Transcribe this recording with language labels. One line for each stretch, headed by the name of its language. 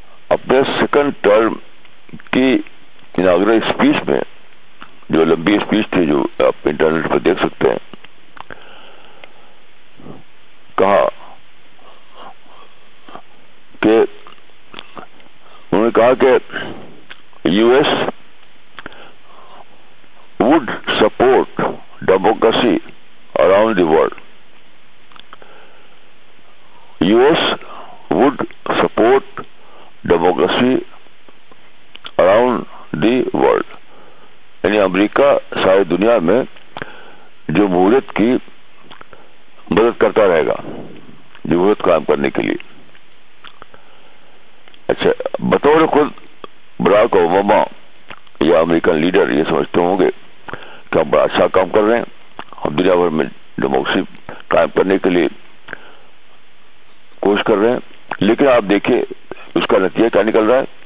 Urdu: اپنے second term کی inauguration speech میں, جو لمبی اسپیچ تھی جو آپ انٹرنیٹ پر دیکھ سکتے ہیں, کہا کہ انہوں نے کہا کہ
English: U S would support democracy around around the world. US would support democracy around the world.
Urdu: یعنی امریکہ ساری دنیا میں جمہوریت کی مدد کرتا رہے گا جمہوریت قائم کرنے کے لیے. اچھا بطور خود براک اوباما یا امریکن لیڈر یہ سمجھتے ہوں گے کہ ہم بڑا اچھا کام کر رہے ہیں, ہم دنیا بھر میں ڈیموکریسی قائم کرنے کے لیے کوشش کر رہے ہیں, لیکن آپ دیکھیں اس کا نتیجہ کیا نکل رہا ہے.